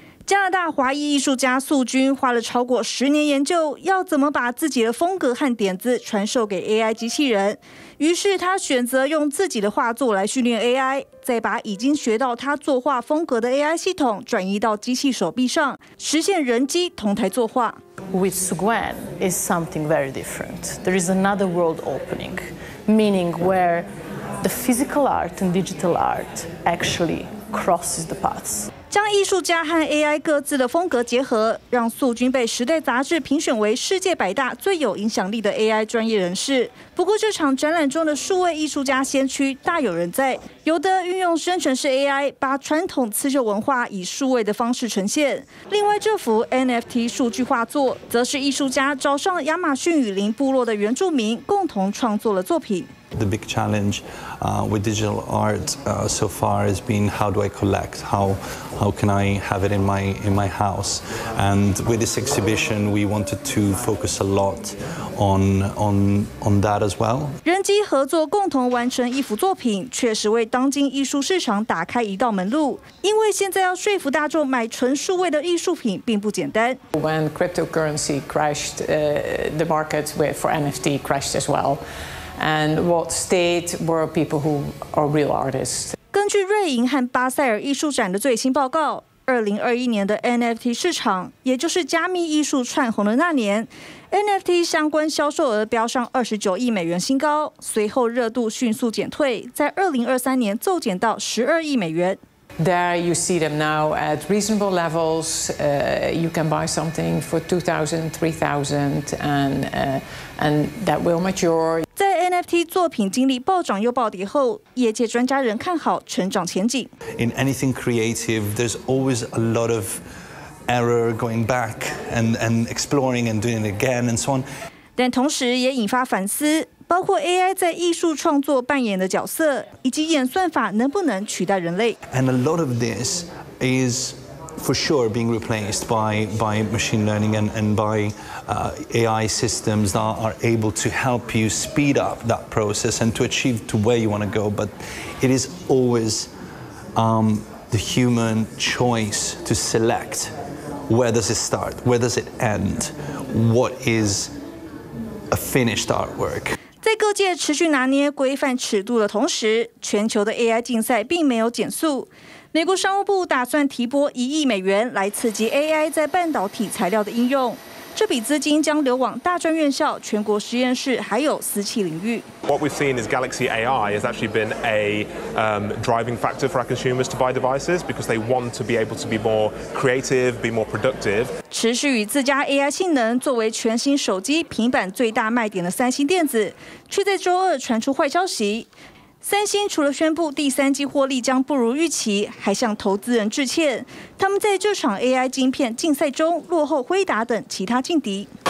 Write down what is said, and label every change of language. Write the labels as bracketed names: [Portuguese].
[Chinese] 加拿大华裔艺术家素君花了超过十年研究，要怎么把自己的风格和点子传授给 AI 机器人。于是他选择用自己的画作来训练 AI， 再把已经学到他作画风格的 AI 系统转移到机器手臂上，实现人机同台作画。 [English] With Suguan is something very different. There is another world opening, meaning where the physical art and digital art actually crosses the paths. [Chinese] 将艺术家和 AI 各自的风格结合，让素君被《时代》杂志评选为世界百大最有影响力的 AI 专业人士。不过，这场展览中的数位艺术家先驱大有人在，有的运用生成式 AI， 把传统刺绣文化以数位的方式呈现；另外这幅 NFT 数据画作，则是艺术家找上亚马逊雨林部落的原住民共同创作的作品。 [English] The big challenge with digital art so far has been how do I collect? How can I have it in my house? And with this exhibition, we wanted to focus a lot on that as well. [Chinese] 人机合作共同完成一幅作品，确实为当今艺术市场打开一道门路。因为现在要说服大众买纯数位的艺术品并不简单。 [English] When cryptocurrency crashed, the market for NFT crashed as well. And what state were people who are real artists? [Chinese] 根据瑞银和巴塞尔艺术展的最新报告，2021年的 NFT 市场，也就是加密艺术串红的那年 ，NFT 相关销售额飙上$29亿新高，随后热度迅速减退，在2023年骤减到$12亿。 [English] There you see them now at reasonable levels. You can buy something for $2,000, $3,000, and that will mature. [Chinese] 在 NFT 作品经历暴涨又暴跌后，业界专家仍看好成长前景。 [English] In anything creative, there's always a lot of error going back and exploring and doing it again and so on. [Chinese] 但同时也引发反思。包括 AI 在艺术创作扮演的角色，以及演算法能不能取代人类。 [English] And a lot of this is for sure being replaced by machine learning and by AI systems that are able to help you speed up that process and to achieve to where you want to go. But it is always the human choice to select where does it start, where does it end, what is a finished artwork. [Chinese] 在各界持续拿捏规范尺度的同时，全球的 AI 竞赛并没有减速。美国商务部打算提拨$1亿来刺激 AI 在半导体材料的应用。这笔资金将流往大专院校、全国实验室，还有私企领域。 [English] What we've seen is Galaxy AI has actually been a driving factor for our consumers to buy devices because they want to be able to be more creative, be more productive. [Chinese] 持续与自家 AI 性能作为全新手机、平板最大卖点的三星电子，却在周二传出坏消息。三星除了宣布第三季获利将不如预期，还向投资人致歉。他们在这场 AI 晶片竞赛中落后辉达等其他劲敌。